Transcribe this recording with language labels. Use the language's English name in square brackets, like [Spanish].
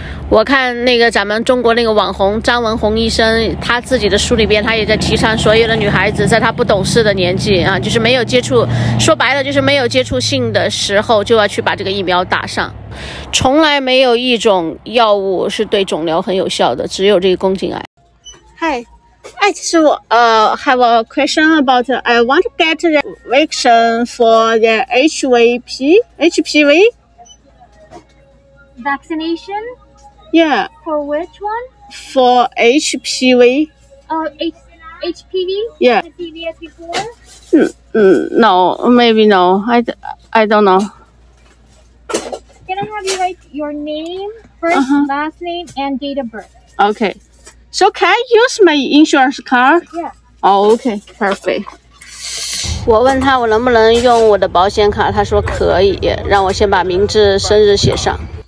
[Chinese] 我看那个咱们中国那个网红张文宏医生，他自己的书里边他也在提倡所有的女孩子在他不懂事的年纪啊，就是没有接触，说白了就是没有接触性的时候，就要去把这个疫苗打上。从来没有一种药物是对肿瘤很有效的，只有这个宫颈癌。 [English] Hi, I just have a question about I want to get the vaccine for the HPV vaccination. Yeah. For which one? For HPV. HPV. Yeah. HPV as before. No, maybe no. I don't know. Can I have you write your name, first, last name, and date of birth? Okay. So can I use my insurance card? Yeah. Oh, okay. Perfect. [Chinese] 我问他我能不能用我的保险卡，他说可以，让我先把名字、生日写上。